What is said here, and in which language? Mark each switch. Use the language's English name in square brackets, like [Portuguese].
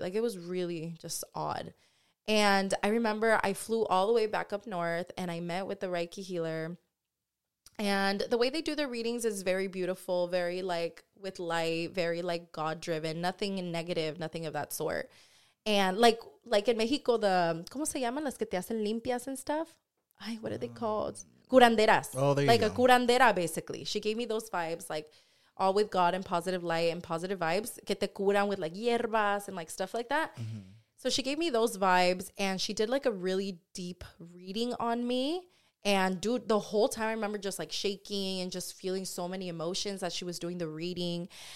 [English] Like, it was really just odd. And I remember I flew all the way back up north, and I met with the Reiki healer. And the way they do their readings is very beautiful, very, like, with light, very, like, God-driven. Nothing negative, nothing of that sort. And, like in Mexico, the, [Spanish] ¿cómo se llaman las que te hacen limpias [English] and stuff? Ay, what are they called? Curanderas. Oh, there you like go. Like, a curandera, basically. She gave me those vibes, like, all with God and positive light and positive vibes. [Spanish] Que te curan [English] with like hierbas and like stuff like that. Mm-hmm. So she gave me those vibes, and she did like a really deep reading on me. And dude, the whole time I remember just like shaking and just feeling so many emotions as she was doing the reading.